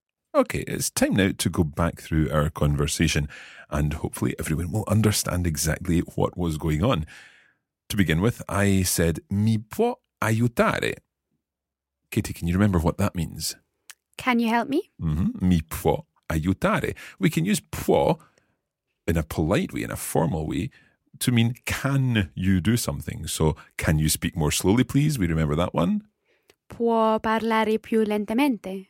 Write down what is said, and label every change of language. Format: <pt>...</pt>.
<en>Okay, it's time now to go back through our conversation and hopefully everyone will understand exactly what was going on. To begin with, I said,</en> <it>mi può aiutare?</it> <en>Katie, can you remember what that means? Can you help me?</en> <it>Mm-hmm. Mi può aiutare.</it> <en>We can use può in a polite way, in a formal way, to mean can you do something. So, can you speak more slowly, please? We remember that one.</en> <it>Può parlare più lentamente.</it>